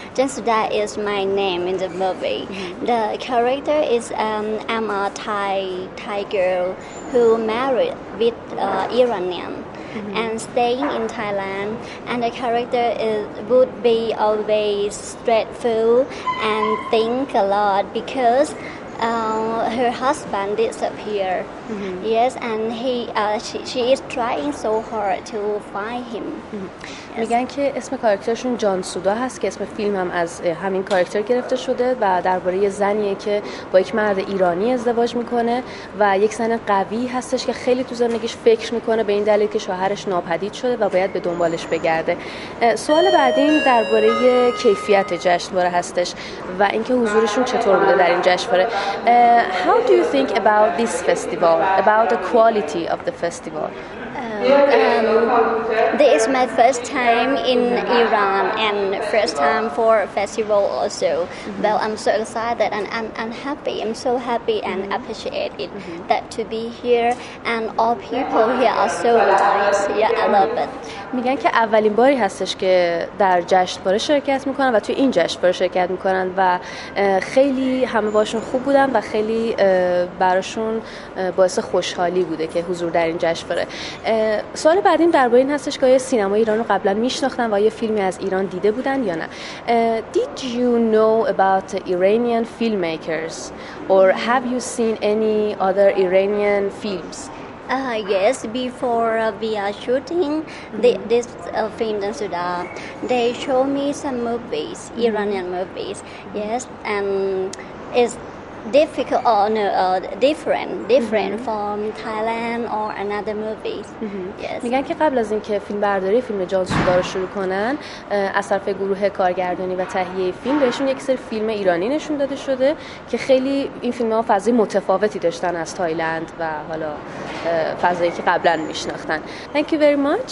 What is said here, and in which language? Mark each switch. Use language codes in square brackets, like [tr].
[en] Jan Suda is my name in the movie. The character is I'm a Thai girl who married with Iranian and staying in Thailand. And the character would be always stressful and think a lot because her husband disappeared. Yes, and she is trying so hard to find him. Yes. [fa] میگن که اسم کاراکترشون جان سودا هست که اسم فیلم هم از همین کاراکتر گرفته شده و درباره زنیه که با یک مرد ایرانی ازدواج میکنه و یک زن قوی هستش که خیلی تو زندگیش فکر میکنه به این دلیل که شوهرش ناپدید شده و باید به دنبالش بگرده. سوال بعدیم درباره کیفیت جشنواره هستش و اینکه حضورشون چطور بوده در این جشنواره. [en] How do you think about this festival? About the quality of the festival. This is my first time in Iran and first time for festival also. Well, I'm so excited and I'm happy. I'm so happy and appreciate it that to be here and all people here are so nice. Yeah, I love it. [fa] میگن که اولین باری هستش که در جشنواره شرکت میکنن و توی این جشنواره شرکت میکنن و خیلی همه باشون خوب بودن و خیلی براشون باعث خوشحالی بوده که حضور در این جشنواره. سوال بعدیم درباره این هستش که آیا سینما ایران رو قبلا میشناختن و آیا فیلمی از ایران دیده بودن یا نه. [en] Did you know about Iranian filmmakers or have you seen any other Iranian films? Yes, before we are shooting this film, Jan Suda, they show me some movies, Iranian movies. Yes, and it's difficult or no, different from Thailand or another movies. Yes. [fa] میگن که قبل از اینکه فیلم برداری فیلم جان سودا رو شروع کنن، از طرف گروه کارگردانی و تهیه فیلم بهشون یک سری فیلم ایرانی نشون داده شده که خیلی این فیلم‌ها فضای متفاوتی داشتن از تایلند و حالا فضایی که قبلا میشناختن. [en] Thank you very much